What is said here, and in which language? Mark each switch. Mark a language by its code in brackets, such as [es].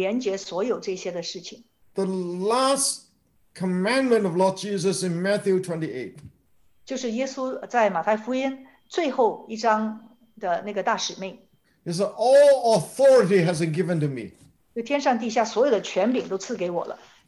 [zh] 所以呢，再跟大家分享一个知识的语言，是帮助我呢来连接所有这些的事情。 [en] The last commandment of Lord Jesus in Matthew 28. [zh] 就是耶稣在马太福音最后一章的那个大使命。 [en] He said, "All authority has been given to me." [zh] 就天上地下所有的权柄都赐给我了。